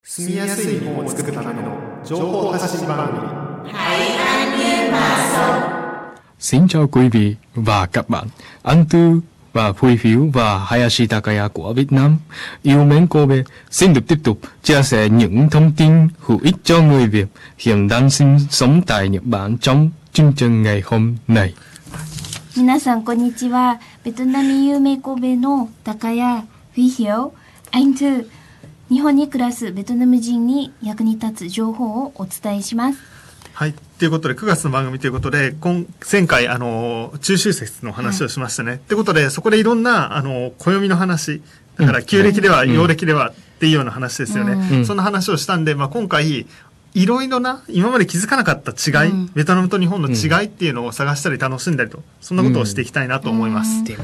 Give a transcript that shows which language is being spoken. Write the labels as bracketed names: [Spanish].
[Japanese] 住みやすい日本を作るための情報発信番組台湾ニューマーソン。 [Vietnamese] Xin chào quý vị và các bạn. Anh Tư và Huy Phiếu và Hayashi Takaya của Việt Nam yêu mến Kobe xin được tiếp tục chia sẻ những thông tin hữu ích cho người Việt hiện đang sinh sống tại Nhật Bản trong chương trình ngày hôm nay. [Japanese] 皆さんこんにちは。ベトナム有名Kobeの Takaya、Huy Phiếu、Anh Tư、日本に暮らすベトナム人に役に立つ情報をお伝えします。はい、ということで9月の番組ということで前回中秋節の話をしましたね、はい、ということでそこでいろんな暦の話だから旧暦では、うん、陽暦では、うん、っていうような話ですよね、うん、そんな話をしたんで、まあ、今回いろいろな今まで気づかなかった違い、うん、ベトナムと日本の違いっていうのを探したり楽しんだりとそんなことをしていきたいなと思います。